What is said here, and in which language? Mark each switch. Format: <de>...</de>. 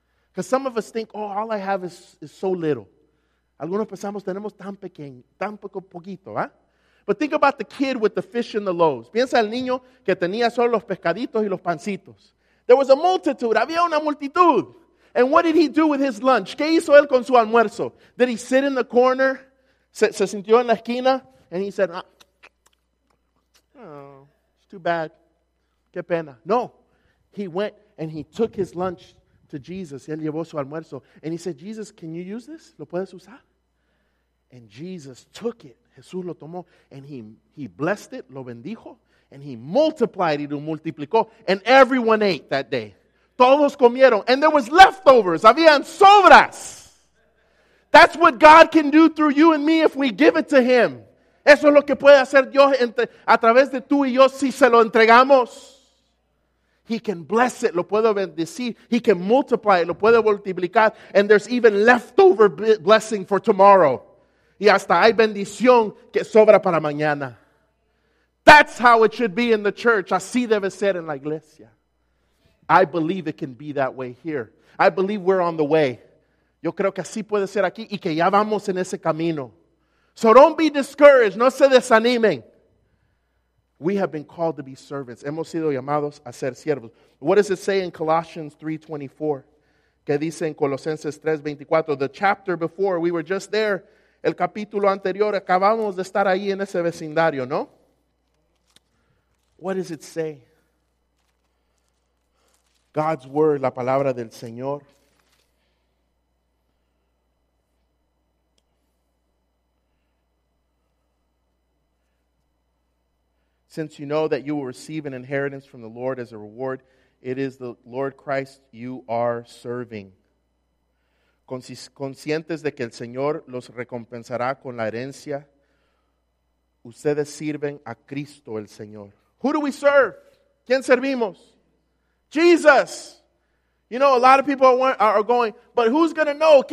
<en>Because some of us think, oh, all I have is so little.</en> <es>Algunos pensamos, tenemos tan pequeño, tan poquito, ¿eh?</es> <en>But think about the kid with the fish and the loaves.</en> <es>Piensa el niño que tenía solo los pescaditos y los pancitos.</es> <en>There was a multitude.</en> <es>Había una multitud.</es> <en>And what did he do with his lunch?</en> <es>¿Qué hizo él con su almuerzo?</es> <en>Did he sit in the corner?</en> <es>Se sintió en la esquina?</es> <en>And he said, oh, it's too bad.</en> <es>Qué pena.</es> <en>No. He went and he took his lunch to Jesus.</en> <es>Él llevó su almuerzo.</es> <en>And he said, Jesus, can you use this?</en> <es>¿Lo puedes usar?</es> <en>And Jesus took it.</en> <es>Jesús lo tomó.</es> <en>And he blessed it.</en> <es>Lo bendijo.</es> <en>And he multiplied it.</en> <es>Lo multiplicó.</es> <en>And everyone ate that day.</en> <es>Todos comieron.</es> <en>And there was leftovers.</en> <es>Habían sobras.</es> <en>That's what God can do through you and me if we give it to him.</en> <es>Eso es lo que puede hacer Dios a través de tú y yo si se lo entregamos.</es> <en>He can bless it.</en> <es>Lo puede bendecir.</es> <en>He can multiply it.</en> <es>Lo puede multiplicar.</es> <en>And there's even leftover blessing for tomorrow.</en> <es>Y hasta hay bendición que sobra para mañana.</es> <en>That's how it should be in the church.</en> <es>Así debe ser en la iglesia.</es> <en>I believe it can be that way here. I believe we're on the way.</en> <es>Yo creo que así puede ser aquí y que ya vamos en ese camino.</es> <en>So don't be discouraged.</en> <es>No se desanimen.</es> <en>We have been called to be servants.</en> <es>Hemos sido llamados a ser siervos.</es> <en>What does it say in Colossians 3:24?</en> <es>¿Qué dice en Colosenses 3:24?</es> <en>The chapter before, we were just there.</en> <es>El capítulo anterior, acabamos de estar ahí en ese vecindario, ¿no?</es> <en>What does it say? God's word,</en> <es>la palabra del Señor.</es> <en>Since you know that you will receive an inheritance from the Lord as a reward, it is the Lord Christ you are serving.</en> <es>Conscientes de que el Señor los recompensará con la herencia, ustedes sirven a Cristo el Señor.</es> <en>Who do we serve?</en> <es>¿Quién servimos?</es> <en>Jesus. You know, a lot of people are going, but who's going to know?</en>